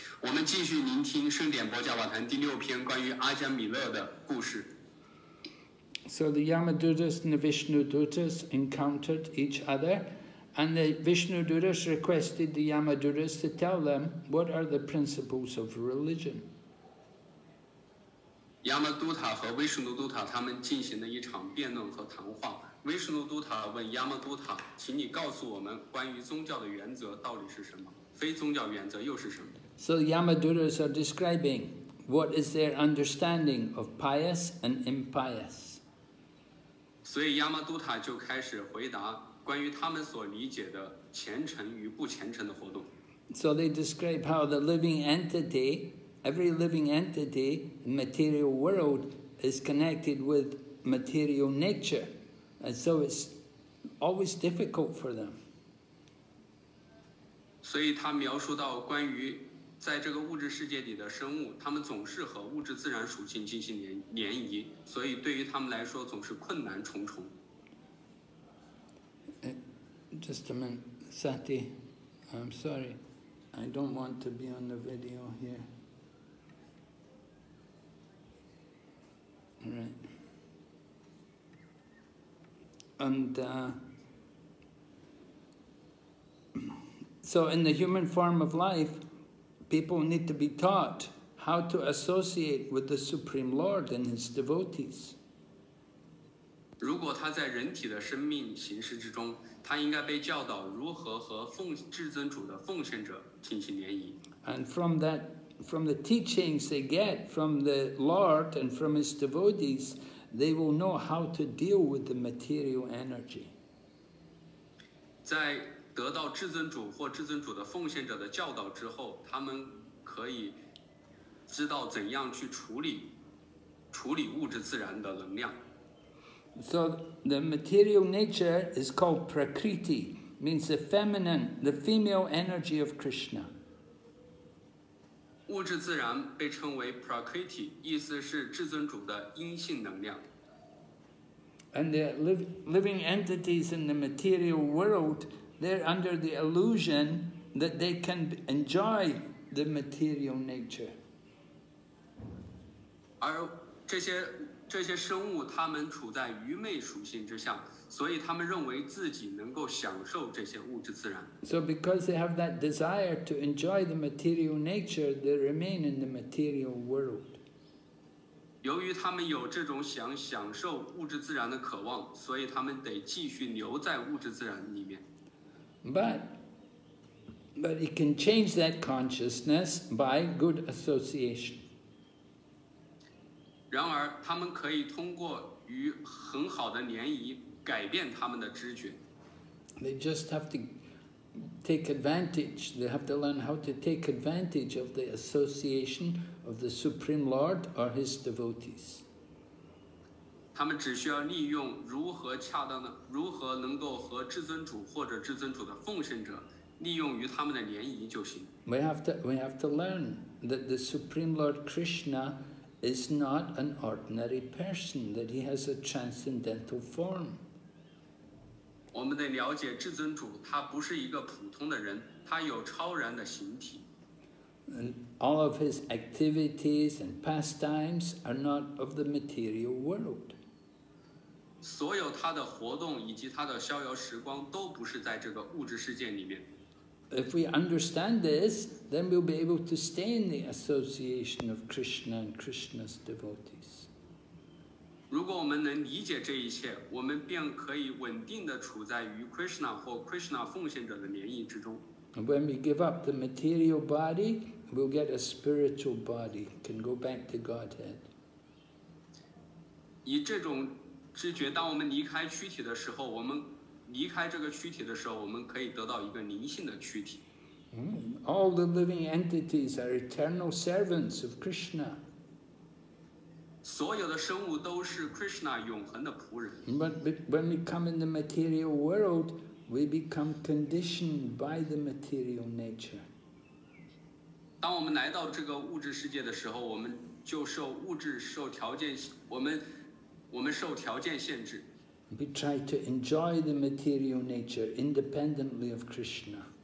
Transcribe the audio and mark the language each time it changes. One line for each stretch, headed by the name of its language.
Chinese: 我们继续聆听盛典博加瓦坛第六篇关于阿加米勒的故事。
English: So the Yamadutas and the Vishnudutas encountered each other, and the Vishnudutas requested the Yamadutas to tell them what are the principles of religion.
Chinese: Yamaduta 和 Vishnuduta 他们进行了一场辩论和谈话。 Vishnuduta 问 Yamaduta, 请你告诉我们关于宗教的原则到底是什么。非宗教原则又是什么？
English: So the Yamadutas are describing what is their understanding of pious and impious.
Chinese: 所以 Yamaduta 就开始回答关于他们所理解的虔诚与不虔诚的活动。
English: So they describe how the living entity, every living entity in material world is connected with material nature. And so it's always difficult for them.
Chinese: 所以他描述到关于在这个物质世界里的生物，他们总是和物质自然属性进行联谊，所以对于他们来说总是困难重重。
English: Just a minute, Sati. I'm sorry. I don't want to be on the video here. Right. And, So in the human form of life, people need to be taught how to associate with the Supreme Lord and His devotees.
Chinese: 如果他在人体的生命形式之中，他应该被教导如何和至尊主的奉献者进行联谊。
English: And from that, from the teachings they get from the Lord and from His devotees, they will know how to deal with the material energy.
Chinese: 在得到至尊主或至尊主的奉献者的教导之后，他们可以知道怎样去处理物质自然的能量。
English: So the material nature is called Prakriti, means the feminine, the female energy of Krishna.
Chinese: 物质自然被称为 Prakriti, 意思是至尊主的阴性能量。
English: And the living entities in the material world, they're under the illusion that they can enjoy the material nature.
Chinese: 而这些生物他们处在愚昧属性之下，所以他们认为自己能够享受这些物质自然。
English: So because they have that desire to enjoy the material nature, they remain in the material world.
Chinese: 由于他们有这种想享受物质自然的渴望，所以他们得继续留在物质自然里面。
English: But it can change that consciousness by good association.
Chinese: 然而他们可以通过与很好的联谊改变他们的知觉。
English: They just have to take advantage. They have to learn how to take advantage of the association of the Supreme Lord or his devotees.
Chinese: 他们只需要利用如何恰当的，如何能够和至尊主或者至尊主的奉献者利用于他们的联谊就行。
English: We have to learn that the Supreme Lord Krishna is not an ordinary person, that he has a transcendental form.
Chinese: 我们得了解至尊主，他不是一个普通的人，他有超然的形体。
English: And all of his activities and pastimes are not of the material world.
Chinese: 所有他的活动以及他的逍遥时光都不是在这个物质世界里面。
English: If we understand this, then we'll be able to stay in the association of Krishna and Krishna's devotees.
Chinese: 如果我们能理解这一切，我们便可以稳定地处在与 Krishna 或 Krishna 奉献者的联谊之中。
English: When we give up the material body, we'll get a spiritual body, can go back to Godhead.
Chinese: 以这种知觉，当我们离开躯体的时候，我们离开这个躯体的时候，我们可以得到一个灵性的躯体。
English: All the living entities are eternal servants of Krishna.
Chinese: 所有的生物都是 Krishna 永恒的仆人。
English: But when we come in the material world, we become conditioned by the material nature.
Chinese: 当我们来到这个物质世界的时候，我们就受物质受条件，我们受条件限制。
English: We try to enjoy the material nature independently of Krishna.